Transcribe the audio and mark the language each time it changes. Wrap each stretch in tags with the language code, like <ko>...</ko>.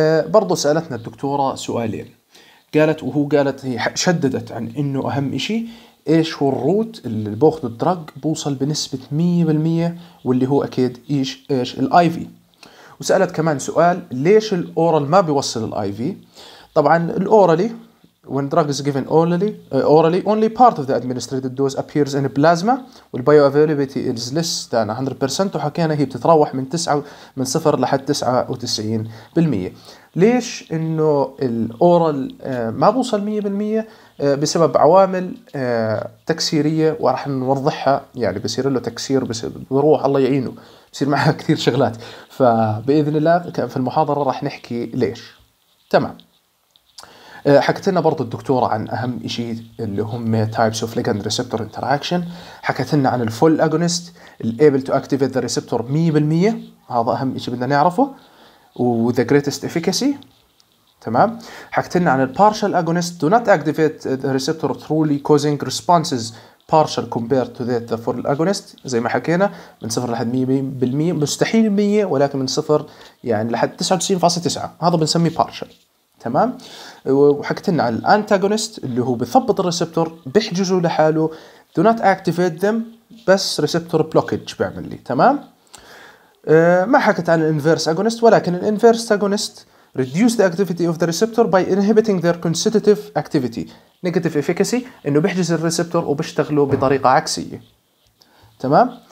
<ar>برضو سألتنا الدكتورة سؤالين، قالت وهو قالت هي شددت عن انه اهم اشي ايش هو الروت اللي باخذ الدرج بوصل بنسبة 100% واللي هو اكيد ايش الاي في. وسألت كمان سؤال ليش الاورال ما بيوصل الاي في. طبعا الاورالي</ar> <en>when drug is given orally, only part of the administered dose appears in plasma والبيو افيلابيلتي is less than 100%،</en> <ar>وحكينا هي بتتراوح من 0 لحد 99%. ليش انه الاورال ما بوصل 100%؟ بسبب عوامل تكسيريه وراح نوضحها، يعني بصير له تكسير بروح الله يعينه، بصير معها كثير شغلات، فباذن الله في المحاضره راح نحكي ليش، تمام. حكت لنا برضو الدكتورة عن أهم إشي اللي هم</ar> <en>types of ligand receptor interaction. حكت لنا عن full agonist اللي able to activate the receptor 100%،</en> <ar>هذا أهم إشي بدنا نعرفه،</ar> <en>وthe greatest efficacy، تمام.</en> <ar>حكت لنا عن</ar> <en>partial agonist do not activate the receptor truly causing responses partial compared to that the full agonist،</en> <ar>زي ما حكينا من 0 لحد 100% مستحيل 100، ولكن من 0 يعني لحد 99.9 هذا بنسميه partial، تمام. وحكت لنا على الانتاغونست اللي هو بيثبط الريسبتور بيحجزه لحاله</ar> <en>do not activate them</en> <ar>بس ريسبتور بلوكج بيعمل لي، تمام. ما حكت عن الانفيرس اغونست، ولكن الانفيرس اغونست</ar> <en>reduce the activity of the receptor by inhibiting their constitutive activity negative efficacy،</en> <ar>انه بيحجز الريسبتور وبيشتغله بطريقه عكسيه، تمام.</ar>